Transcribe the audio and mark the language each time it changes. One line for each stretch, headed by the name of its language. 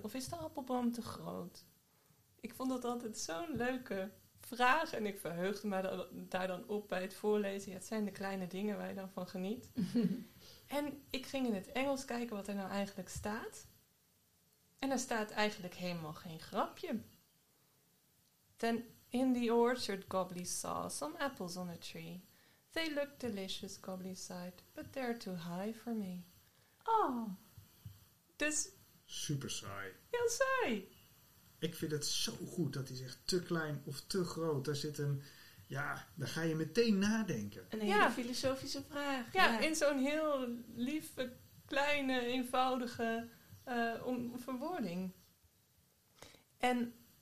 Dutch: Of is de appelboom te groot? Ik vond dat altijd zo'n leuke vraag. En ik verheugde me daar dan op bij het voorlezen. Ja, het zijn de kleine dingen waar je dan van geniet. En ik ging in het Engels kijken wat er nou eigenlijk staat. En daar staat eigenlijk helemaal geen grapje.
English: Then in the orchard Gobbly saw some apples on a tree. They look delicious, Gobbly sighed, but they're too high for me. Oh.
Dutch: Dus. Super saai. Heel saai. Ik vind het zo goed dat hij zegt te klein of te groot. Daar zit een. Ja, daar ga je meteen nadenken. Een hele filosofische vraag. Ja, in zo'n heel lieve, kleine, eenvoudige verwoording. En.